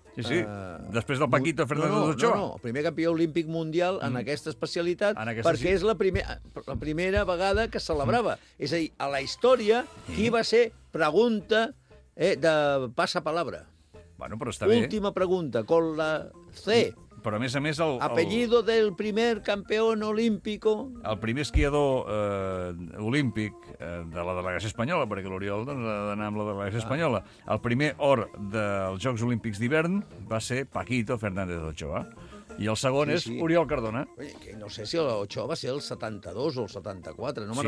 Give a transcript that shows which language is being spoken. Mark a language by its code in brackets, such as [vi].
[ca] Sí, sí. Després del Paquito Fernández Ochoa. No, no, el primer campió olímpic mundial en aquesta especialitat, en aquesta perquè sí. És la primera vegada que celebrava. És a dir, a la història, qui va ser pregunta de passapalabra. Bueno, però està bé. [es] Última pregunta, con la C. Sí, [ca] però a més el... [es] Apellido del primer campeón olímpico. [ca] El primer esquiador olímpic de la delegació espanyola, perquè l'Oriol doncs, ha d'anar amb la delegació espanyola. El primer or dels Jocs Olímpics d'hivern va ser Paquito Fernández Ochoa. I el segon és Oriol Cardona. No sé si Ochoa va ser el 72 o el 74, no me'n